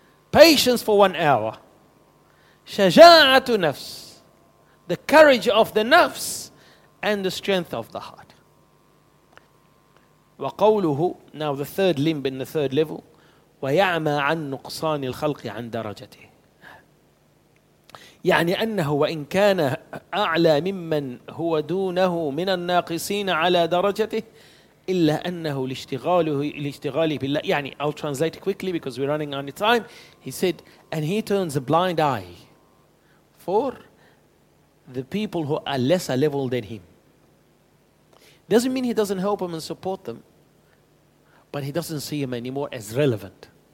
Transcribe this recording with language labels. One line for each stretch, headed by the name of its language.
English: Patience for 1 hour.
Arabic: شجاعة نفس.
English: The courage of the nafs. And the strength of the heart.
Arabic: وَقَوْلُهُ.
English: Now the third limb in the third level.
Arabic: وَيَعْمَى عَنْ نُقْصَانِ الْخَلْقِ عَنْ دَرَجَتِهِ. يعني أنه وإن كان أعلى ممن هو دونه من الناقصين على درجته إلا أنه لاشتغاله بالله.
English: يعني I'll translate quickly because we're running out of time. He said, and he turns a blind eye for the people who are lesser level than him. Doesn't mean he doesn't help them and support them, but he doesn't see them anymore as relevant.